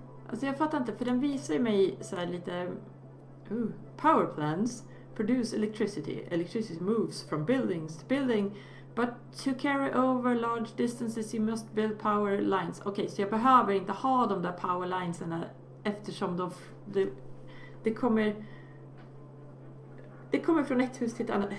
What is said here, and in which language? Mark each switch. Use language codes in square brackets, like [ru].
[sv] Alltså jag fattar inte, för den visar ju mig så här lite [en] power plants produce electricity. Electricity moves from buildings to building, but to carry over large distances you must build power lines. [sv] Okej, okay, så jag behöver inte ha de där power linesarna eftersom det kommer från ett hus till ett annat.